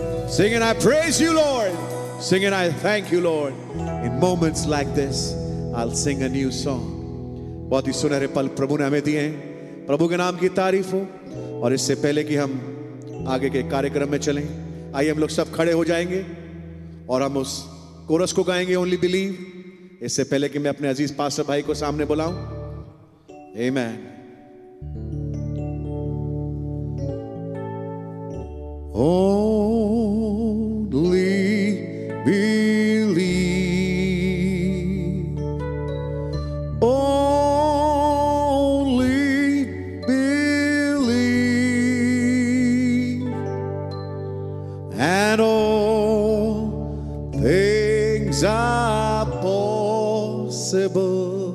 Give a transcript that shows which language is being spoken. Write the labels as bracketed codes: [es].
[en] Singing, I praise you, Lord. Singing, I thank you, Lord. In moments like this, I'll sing a new song. [hi] बहुत ही सुनहरे पल प्रभु ने हमें दिए हैं. प्रभु के नाम की तारीफ हो. और इससे पहले कि हम आगे के कार्यक्रम में चलें, आइए हम लोग सब खड़े हो जाएंगे और हम उस कोरस को गाएंगे, ओनली बिलीव. इससे पहले कि मैं अपने अजीज पास्टर भाई को सामने बुलाऊं. आमीन. [en] only believe, only believe, and all things are possible.